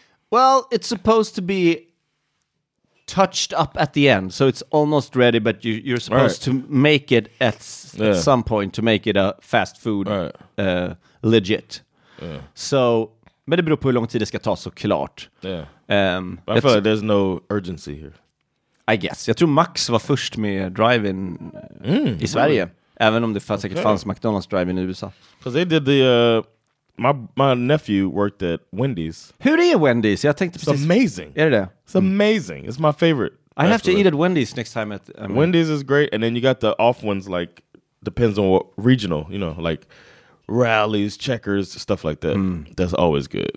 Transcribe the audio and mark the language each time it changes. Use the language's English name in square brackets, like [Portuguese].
[English] Well, it's supposed to be touched up at the end. So it's almost ready, but you're supposed to make it at some point to make it a fast food legit. Yeah. [Swedish] So, men det beror på hur lång tid det ska ta såklart. [English] Yeah. I feel like there's no urgency here. I guess. [Swedish] Jag tror Max var först med drive-in i Sverige. [English] Really? [Swedish] Även om det säkert fanns McDonald's drive-in i USA. [English] Because they did the... My nephew worked at Wendy's. [Swedish] Hur är Wendy's? Jag tänkte [English] precis. It's amazing. [Swedish] Är det det? [English] It's amazing. It's my favorite. I have to eat at Wendy's next time. Wendy's is great. And then you got the off ones, like, depends on what regional, you know, like Rallies, Checkers, stuff like that. That's always good.